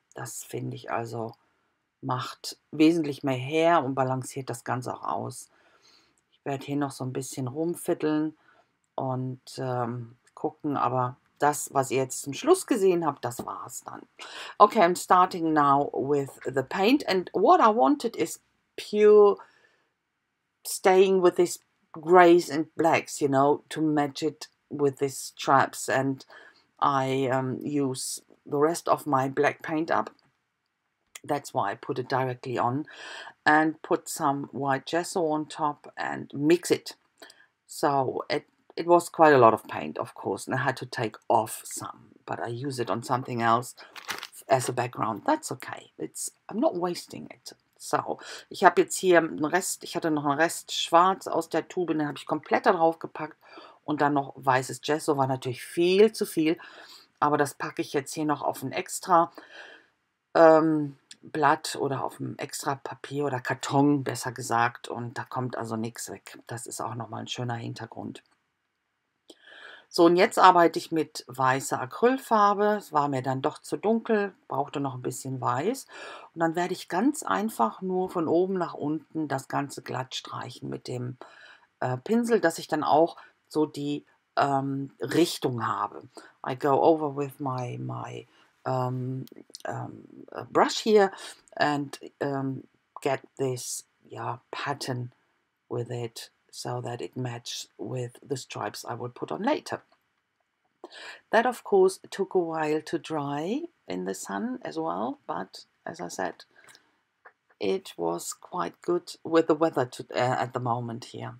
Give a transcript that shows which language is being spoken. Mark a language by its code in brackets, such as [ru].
[de] Das finde ich also, macht wesentlich mehr her und balanciert das Ganze auch aus. Ich werde hier noch so ein bisschen rumfiddeln und gucken, aber das, was ihr jetzt zum Schluss gesehen habt, das war's dann. [en] Okay, I'm starting now with the paint. And what I wanted is pure staying with these grays and blacks, you know, to match it with these straps. And I use the rest of my black paint up. That's why I put it directly on. And put some white gesso on top and mix it. So it was quite a lot of paint, of course, and I had to take off some, but I use it on something else as a background. That's okay. I'm not wasting it. [de] So, ich habe jetzt hier einen Rest, ich hatte noch einen Rest schwarz aus der Tube, den habe ich komplett da drauf gepackt und dann noch weißes Gesso, war natürlich viel zu viel, aber das packe ich jetzt hier noch auf ein extra Blatt oder auf ein extra Papier oder Karton, besser gesagt, und da kommt also nichts weg. Das ist auch nochmal ein schöner Hintergrund. So, und jetzt arbeite ich mit weißer Acrylfarbe. Es war mir dann doch zu dunkel, brauchte noch ein bisschen Weiß. Und dann werde ich ganz einfach nur von oben nach unten das Ganze glatt streichen mit dem Pinsel, dass ich dann auch so die Richtung habe. [en] I go over with my brush here and get this pattern with it, so that it matches with the stripes I will put on later. That, of course, took a while to dry in the sun as well, but as I said, it was quite good with the weather at the moment here.